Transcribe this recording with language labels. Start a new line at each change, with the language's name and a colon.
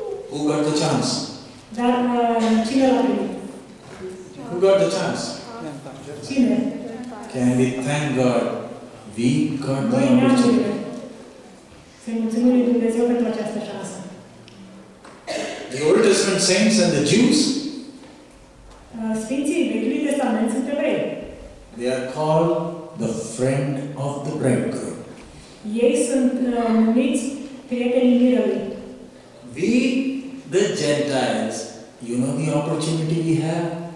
English: Who got the chance?
Romanian: Dar cine l-a primit?
English: Who got the chance?
Romanian: Cine?
English: Can we thank God? We got the opportunity.
Romanian: Să-i mulțumim lui Dumnezeu pentru această șansă.
English: The Old Testament saints and the Jews?
Romanian: Sfinții Vechiului Testament sunt evrei.
English: They are called the friend of the bridegroom.
Romanian: Ei sunt numiți prietenii mirelui.
English: We, the Gentiles, you know the opportunity we have?